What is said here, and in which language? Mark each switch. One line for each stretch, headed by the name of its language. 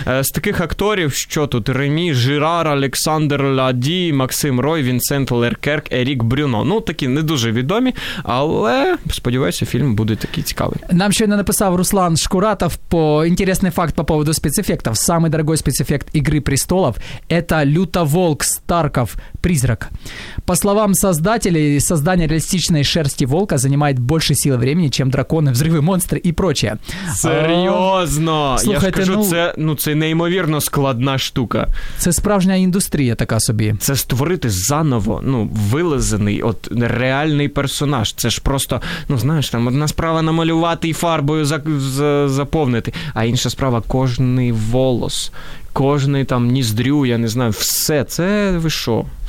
Ukrainian: З таких акторів, що тут? Ремі Жирар, Олександр Ладі, Максим Рой, Вінсент Леркерк, Ерік Брюно. Ну, такі не дуже відомі, але сподіваюся, фільм буде такий цікавий. Нам ще не написав Руслан Шкуратов по інтересний факт по поводу спецефектів.
Russian: Самий дорогой спецефект
Ukrainian: «Ігри престолов» – це люта волк Старков –
Russian: призрак. По словам создателей, создание реалистичной шерсти волка занимает больше силы времени, чем драконы, взрывы, монстры и прочее. Серьезно?
Ukrainian: Слухайте, я скажу, це неймовірно складна штука. Це справжня індустрія така собі. Це створити заново, ну, вилизаний, от, реальний персонаж. Це ж просто, ну, знаєш, там одна справа намалювати і фарбою заповнити, а інша справа кожний волос, кожний там ніздрю, я не знаю, все, це ви що?